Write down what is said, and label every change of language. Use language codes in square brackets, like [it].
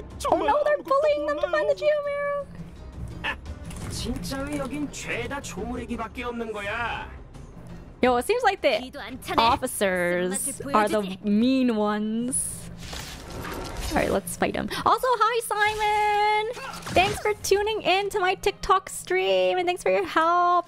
[en] Oh no, they're bullying them to find the Geomero. [ko] 진짜 왜 여긴 죄다 조무레기밖에 없는 거야? [en] Yo, it seems like the officers are the mean ones. Alright, let's fight him. Also, hi Simon! Thanks for tuning in to my TikTok stream and thanks for your help.